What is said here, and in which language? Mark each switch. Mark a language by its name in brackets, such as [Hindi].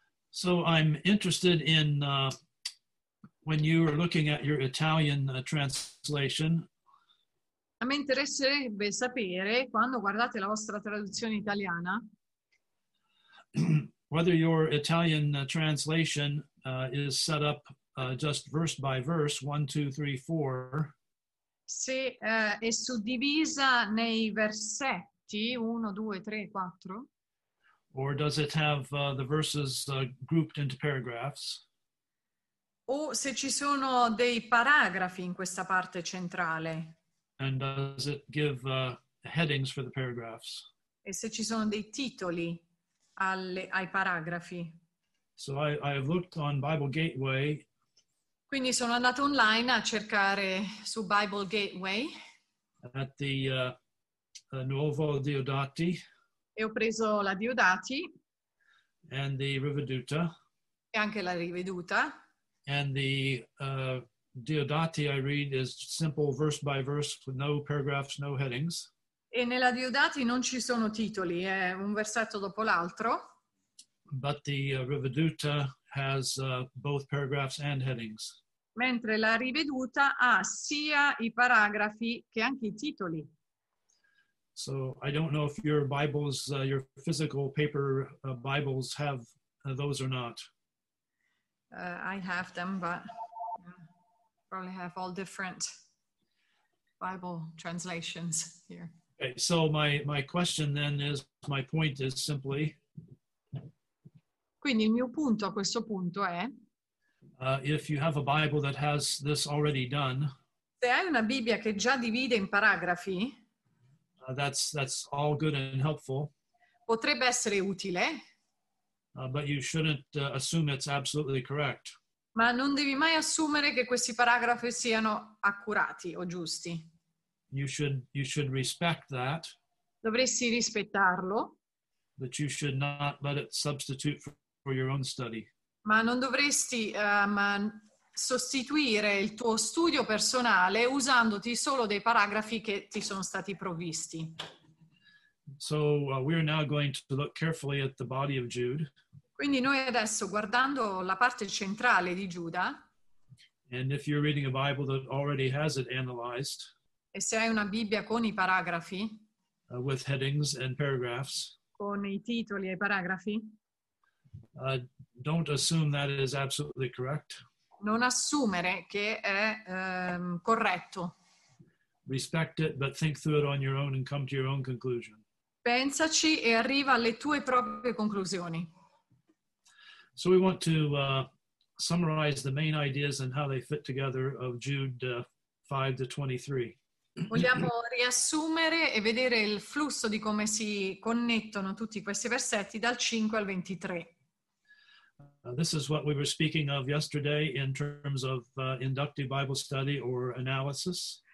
[English] So I'm interested in when you are looking at your Italian translation. [Italian] A me interesserebbe sapere, quando guardate la vostra traduzione italiana, [English] whether your Italian translation is set up just verse by verse, 1, 2, 3, 4. [Italian] se è suddivisa nei versetti 1, 2, 3, 4. [English] Or does it have the verses grouped into paragraphs? [Italian] O se ci sono dei paragrafi in questa parte centrale. [English] And does it give headings for the paragraphs? [Italian] E se ci sono dei titoli ai paragrafi. [English] So I have looked on Bible Gateway. [Italian] Quindi sono andato online a cercare su Bible Gateway. [English] At the Nuovo Diodati. [Italian] E ho preso la Diodati. [English] And the Riveduta. [Italian] E anche la Riveduta. [English] And the Diodati I read is simple verse by verse with no paragraphs, no headings. [Italian] E nella Diodati non ci sono titoli, è un versetto dopo l'altro. [English] But the Riveduta has both paragraphs and headings. [Italian] Mentre la Riveduta ha sia i paragrafi che anche i titoli. [English] So I don't know if your Bibles, your physical paper Bibles have those or not. I have them, but probably have all different Bible translations here. Okay, so my question then is, my point is simply. [Italian] Quindi il mio punto a questo punto è. [English] If you have a Bible that has this already done. [Italian] Se hai una Bibbia che già divide in paragrafi. [English] That's all good and helpful. [Italian] Potrebbe essere utile. [English] But you shouldn't assume it's absolutely correct. [Italian] Ma non devi mai assumere che questi paragrafi siano accurati o giusti. [English] You should respect that. [Italian] Dovresti rispettarlo. [English] But you should not let it substitute for your own study. [Italian] Ma non dovresti sostituire il tuo studio personale usandoti solo dei paragrafi che ti sono stati provvisti. [English] So we are now going to look carefully at the body of Jude. [Italian] Quindi noi adesso guardando la parte centrale di Giuda. [English] And if you're reading a Bible that already has it analyzed. [Italian] E se hai una Bibbia con i paragrafi. [English] With headings and paragraphs. [Italian] Con i titoli e i paragrafi. [English] Don't assume that is absolutely correct. [Italian] Non assumere che è corretto. [English] Respect it, but think through it on your own and come to your own conclusion. [Italian] Pensaci e arriva alle tue proprie conclusioni. [English] So we want to summarize the main ideas and how they fit together of Jude 5 to 23. [Italian] Vogliamo riassumere e vedere il flusso di come si connettono tutti questi versetti dal 5 al 23. [English] This is what we were speaking of yesterday in terms of inductive Bible study or analysis.